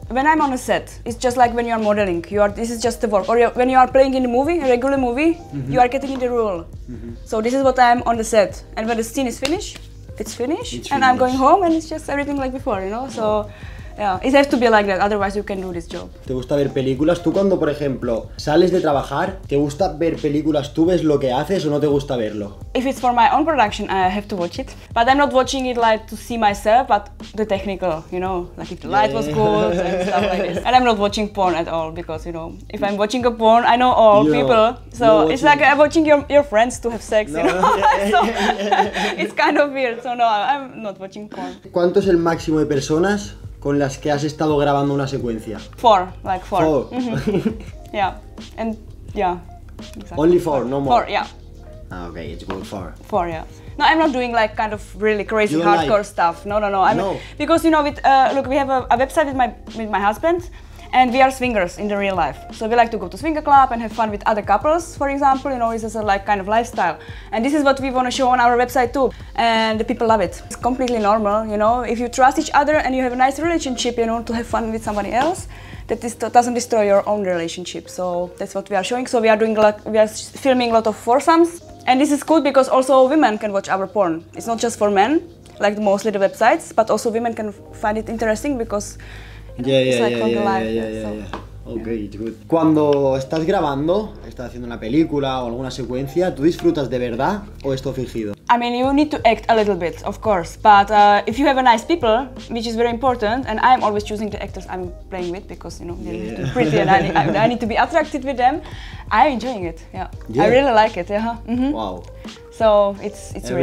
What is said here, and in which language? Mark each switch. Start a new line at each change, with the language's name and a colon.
English: When I'm on a set, it's just like when you are modeling. This is just the work. Or when you are playing in a movie, a regular movie, you are getting in the role. So this is what I'm on the set. And when the scene is finished, it's finished. It's finished. And I'm going home and it's just everything like before, you know? So, yeah, it has to be like that, otherwise you can do this job.
Spanish: ¿Te gusta ver películas? ¿Tú cuando, por ejemplo, sales de trabajar, te gusta ver películas? ¿Tú ves lo que haces o no te gusta verlo?
English: If it's for my own production, I have to watch it. But I'm not watching it like to see myself, but the technical, you know, like if the light was good and stuff like this. And I'm not watching porn at all because, you know, if I'm watching a porn, I know all people. So it's like I'm watching your friends to have sex, you know. It's kind of weird, so no, I'm not watching porn.
Spanish: ¿Cuánto es el máximo de personas con las que has estado grabando una secuencia?
English: Four. Four. Yeah. And yeah. Exactly. Only four, no more. Four, yeah. Okay, it's good. Four. Four, yeah. No, I'm not doing like kind of really crazy hardcore stuff. No, no, no. No. Because you know, with look, we have a website with my husband, And we are swingers in the real life. So we like to go to swinger club and have fun with other couples, for example, you know, this is a like kind of lifestyle. And this is what we want to show on our website too. And the people love it. It's completely normal, you know, if you trust each other and you have a nice relationship, you know, to have fun with somebody else, that this doesn't destroy your own relationship. So that's what we are showing. So we are doing like, we are filming a lot of foursomes. And this is cool because also women can watch our porn. It's not just for men, like mostly the websites, but also women can find it interesting because Yeah, it's like on the live. Good.
Spanish: Cuando estás grabando, estás haciendo una película o alguna secuencia, ¿tú disfrutas de verdad o esto fingido?
English: I mean, you need to act a little bit, of course, but if you have a nice people, which is very important, and I'm always choosing the actors I'm playing with because, you know, they need to be pretty and I need to be attracted with them, I'm enjoying it, yeah. I really like it, yeah. Mm-hmm. Wow. So, it's every